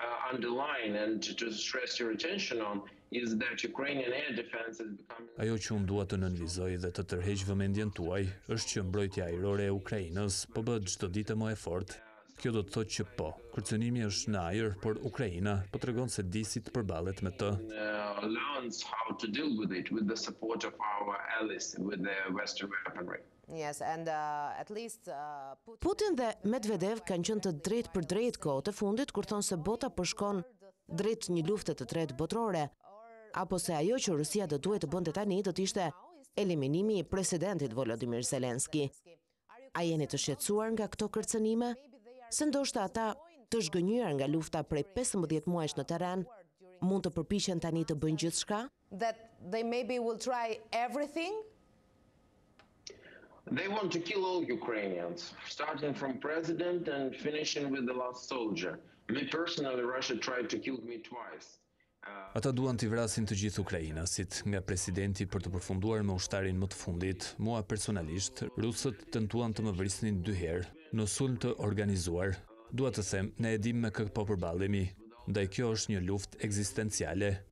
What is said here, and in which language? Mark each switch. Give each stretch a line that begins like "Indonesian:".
English: Underline and to stress your attention on is that Ukrainian air defense is becoming
Albanian: Ajo që unë dua të nënvizoj dhe të tërheq vëmendjen tuaj është që mbrojtja ajrore e Ukrainës po bëhet çdo ditë më e fortë. Kjo do të thotë që po, kërcënimi është në ajër, por Ukraina po tregon se disi të përballet me të.
English: Learns how to deal with it with the support of our allies with the western weaponry. Yes, and at least
Albanian: Putin dhe Medvedev kanë qenë të drejtë për drejtë kohë të fundit kur thonë se bota po shkon drejt një lufte të tretë botërore, apo se ajo që Rusia do duhet të bënte tani do të ishte eliminimi i presidentit Volodymyr Zelensky. A jeni të shqetësuar nga këto kërcënime? Se ndoshta ata të zhgënjur nga lufta prej 15 muajsh në teren mund të përpiqen tani të bëjnë gjithçka?
English: That they maybe will try everything. They want to kill all Ukrainians, starting from president and finishing with the last soldier. Me personally, Russia tried to kill me twice.
Albanian: Ata duan të vrasin të gjithë ukrainasit, nga presidenti për të përfunduar me ushtarin më të fundit. Mua personalisht, rusët tentuan të më vrisnin dy herë, në sulm të organizuar. Dua të them, ne e dim me kë po përballemi, ndaj kjo është një luftë ekzistenciale.